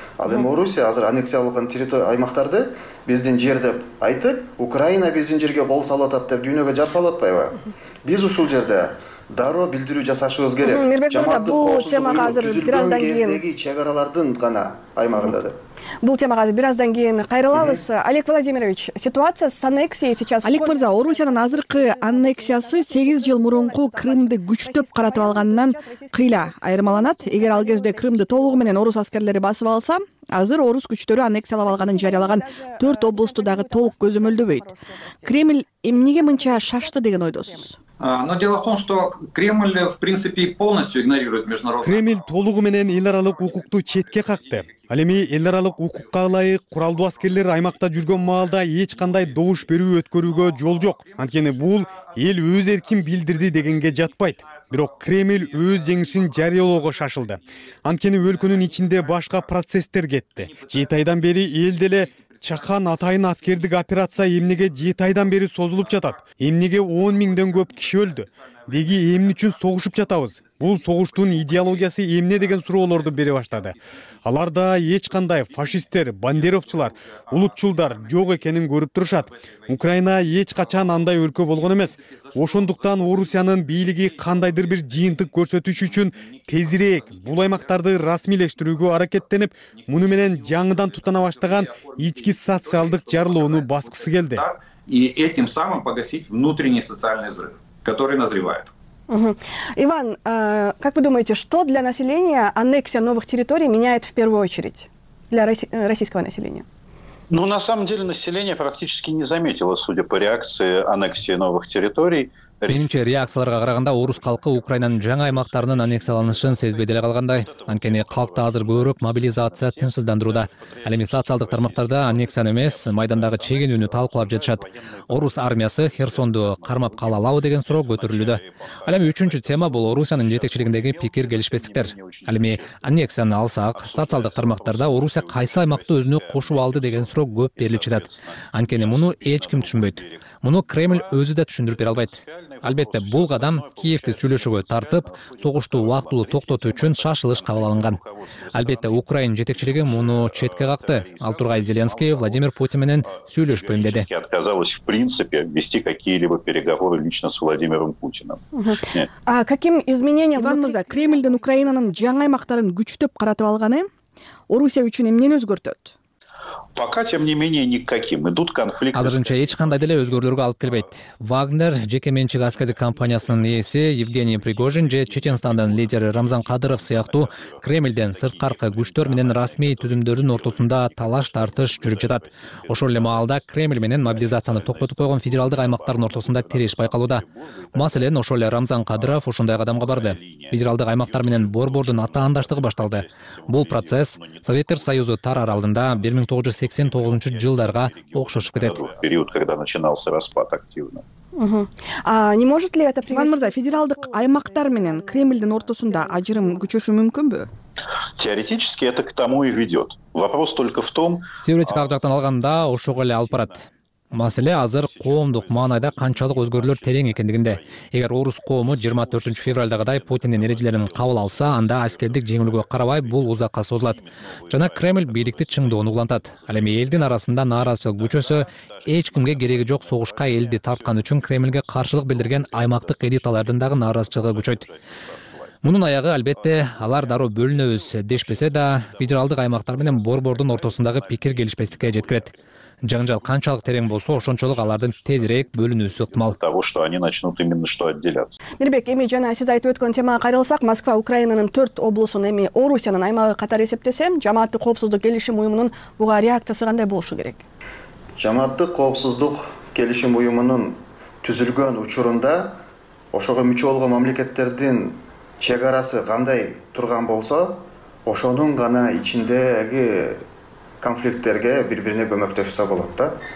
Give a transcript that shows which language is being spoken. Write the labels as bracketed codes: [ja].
[ky] Ал эми Орусия азыр аннексиялаган территория аймактарды биздин жер деп айтып, Украина биздин жерге кол салып атат деп дүйнөгө жар салып атпайбы? Биз ушул жерде дароо билдирүү жасашыбыз керек. Мирбек Мырза, бул темага азыр бир аздан кийин чек аралардын гана аймагында да. Бул темага азыр бир аздан кийин кайрылабыз. [ru] Олег Владимирович, ситуация с аннексией сейчас. [ky] Олег Мырза, Орусиянын азыркы аннексиясы 8 жыл мурунку Крымды күчтөп каратып алгандан кыйла айырмаланат. Эгер ал кезде Крымды толугу менен орус аскерлери басып алса, азыр орус күчтөрү аннексиялап алганын жарыялаган 4 областту дагы толук көзөмөлдөбөйт. Кремль эмнеге мынча шашты деген ойдосуз? [ru] Но дело в том, что Кремль в принципе полностью игнорирует международные. [ky] Кремль толугу менен эл аралык укукту четке какты. Ал эми эл аралык укукка ылайык куралдуу аскерлер аймакта жүргөн маалда эч кандай добуш берүү өткөрүүгө жол жок. Анткени бул эл өз эркин билдирди дегенге жатпайт. Бирок Кремль өз жеңишин жарыялоого шашылды. Анткени өлкөнүн ичинде башка процесстер кетти. Жети айдан бери эл деле Чакан атайын аскердик операция эмнеге жети айдан бери созулуп жатат? Эмнеге 10 000 көп киши өлдү? Деги эмне үчүн согушуп жатабыз? Бул согуштун идеологиясы эмне деген суроолорду бере баштады. Алар да эч кандай фашисттер, бандеровчулар, улутчулдар жок экенин көрүп турушат. Украина эч качан андай өлкө болгон эмес. Ошондуктан Орусиянын бийлиги кандайдыр бир жыйынтык көрсөтүш үчүн тезирээк бул аймактарды расмийлештирүүгө аракеттенип, муну менен жаңыдан тутана баштаган ички социалдык жарылууну баскысы келди. [ru] И этим самым погасить внутренний социальный взрыв, который назревает. Иван, как вы думаете, что для населения аннексия новых территорий меняет в первую очередь для российского населения? Ну, на самом деле, население практически не заметило, судя по реакции аннексии новых территорий. [ky] Менимче, реакцияларга караганда орус халкы Украинанын жаңы аймактарынын аннексияланышын сезбей деле калгандай. Анткени халкта азыр көбүрөөк мобилизация тынчсыздандырууда. Ал эми социалдык тармактарда аннексияны эмес, майдандагы чегинүүнү талкуулап жатышат. Орус армиясы Херсонду кармап кала алабы деген суроо көтөрүлүүдө. Ал эми үчүнчү тема бул Орусиянын жетекчилигиндеги пикир келишпестиктер. Ал эми аннексияны алсак, социалдык тармактарда Орусия кайсы аймакты өзүнө кошуп алды деген суроо көп берилип жатат. Анткени муну эч ким түшүнбөйт. Муну Кремль өзү да түшүндүрүп бере албайт. Албетте, бул кадам Киевти сүйлөшүүгө тартып, согушту убактылуу токтотуу үчүн шашылыш кабыл алынган. Албетте, Украина жетекчилиги муну четке какты. Ал тургай Зеленский Владимир Путин менен сүйлөшпөйм деди. [ru] Отказалась в принципе вести какие-либо переговоры лично с Владимиром Путиным. А каким изменениям [ky] Иван Мырза, Кремлдин Украинанын жаңы аймактарын күчтөп каратып алганы Орусия үчүн эмнени өзгөртөт? [ru] Пока, тем не менее, никаким. Идут конфликты. [ky] Азырынча эч кандай деле өзгөрүүлөргө алып келбейт. Вагнер жеке менчик аскердик компаниясынын ээси Евгений Пригожин же Чеченстандын лидери Рамзан Кадыров сыяктуу Кремлден сырткаркы күчтөр менен расмий түзүмдөрдүн ортосунда талаш тартыш жүрүп жатат. Ошол эле маалда Кремль менен мобилизацияны токтотуп койгон федералдык аймактардын ортосунда тиреш байкалууда. Маселен, ошол эле Рамзан Кадыров ушундай кадамга барды. Федералдык аймактар менен борбордун атаандаштыгы башталды. Бул процесс Советтер Союзу тарар алдында 1989-жылдарга окшош кетет. [ru] Период, когда начинался распад активно. А не может ли это привести? [ky] Иван Мырза, федералдык аймактар менен Кремлдин ортосунда ажырым күчөшү мүмкүнбү? [ru] Теоретически это к тому и ведет. Вопрос только в том. [ky] Теоретикалык жактан алганда ошого эле алып барат. Маселе азыр коомдук маанайда канчалык өзгөрүүлөр терең экендигинде. Эгер орус коому 24 февралдагыдай Путиндин эрежелерин кабыл алса, анда аскердик жеңилүүгө карабай бул узакка созулат. Жана Кремль бийликти чыңдоону улантат. Ал эми элдин арасында нааразычылык күчөсө, эч кимге кереги жок согушка элди тарткан үчүн Кремльге каршылык билдирген аймактык элиталардын дагы нааразычылыгы күчөйт. Мунун аягы албетте алар дароо бөлүнөбүз дешпесе да, федералдык аймактар менен борбордун ортосундагы пикир келишпестикке жеткирет. Жаңжал канчалык терең болсо, ошончолук алардын тезирээк бөлүнүүсү ыктымал. [ru] Того, что они начнут именно что отделяться. [ky] Мирбек, эми жана сиз айтып өткөн темага кайрылсак, Москва Украинанын 4 облусун эми Орусиянын аймагы катары эсептесе, жамааттык коопсуздук келишим уюмунун буга реакциясы кандай болушу керек? Жамааттык коопсуздук келишим уюмунун түзүлгөн учурунда ошого мүчө болгон мамлекеттердин чек арасы кандай турган болсо, ошонун гана ичиндеги конфликттерге бири-бирине көмөктөшсө болот да.